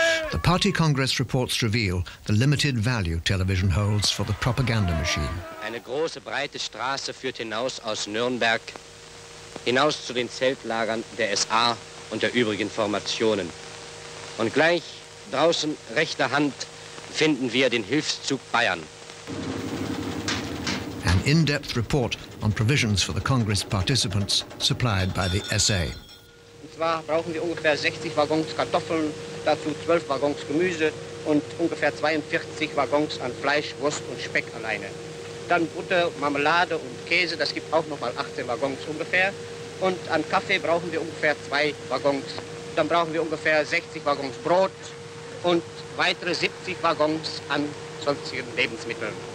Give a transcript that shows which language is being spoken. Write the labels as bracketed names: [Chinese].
[English] The Party Congress reports reveal the limited value television holds for the propaganda machine. [German] Eine große breite Straße führt hinaus aus Nürnberg, hinaus zu den Zeltlagern der SA und der übrigen Formationen. Und gleich draußen rechter Hand finden wir den Hilfszug Bayern. [English] An in-depth report on provisions for the Congress participants supplied by the SA. [German] Und zwar brauchen wir ungefähr 60 Waggons Kartoffeln, dazu 12 Waggons Gemüse und ungefähr 42 Waggons an Fleisch, Wurst und Speck alleine. Dann Butter, Marmelade und Käse, das gibt auch nochmal 18 Waggons ungefähr. Und an Kaffee brauchen wir ungefähr 2 Waggons. Dann brauchen wir ungefähr 60 Waggons Brot und weitere 70 Waggons an sonstigen Lebensmitteln.